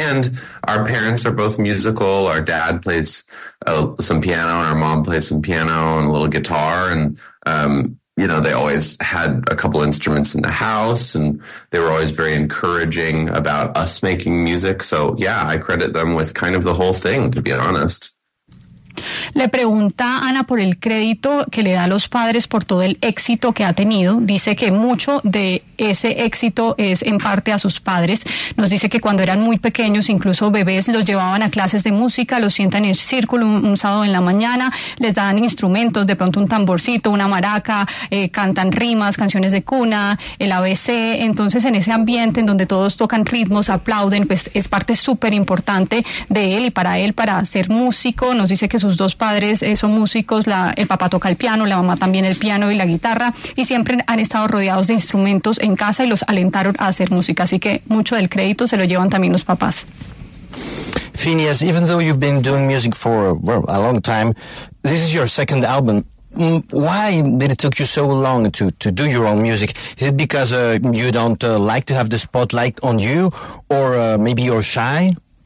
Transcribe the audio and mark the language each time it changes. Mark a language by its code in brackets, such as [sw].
[en] And our parents are both musical. Our dad plays some piano and our mom plays some piano and a little guitar. And, you know, they always had a couple instruments in the house and they were always very encouraging about us making music. So, yeah, I credit them with kind of the whole thing, to be honest. [es] Le pregunta Ana por el crédito que le da a los padres por todo el éxito que ha tenido. Dice que mucho de ese éxito es en parte a sus padres. Nos dice que cuando eran muy pequeños, incluso bebés, los llevaban a clases de música, los sientan en el círculo un sábado en la mañana, les dan instrumentos, de pronto un tamborcito, una maraca, cantan rimas, canciones de cuna, el ABC. Entonces, en ese ambiente en donde todos tocan ritmos, aplauden, pues es parte súper importante de él y para él, para ser músico. Nos dice que sus dos padres son músicos, el papá toca el piano, la mamá también el piano y la guitarra, y siempre han estado rodeados de instrumentos en casa y los alentaron a hacer música, así que mucho del crédito se lo llevan también los papás. [en] Phineas, even though you've been doing music for a long time, this is your second album. Why did it take you so long to do your own music? Is it because you don't like to have the spotlight on you, or maybe you're shy?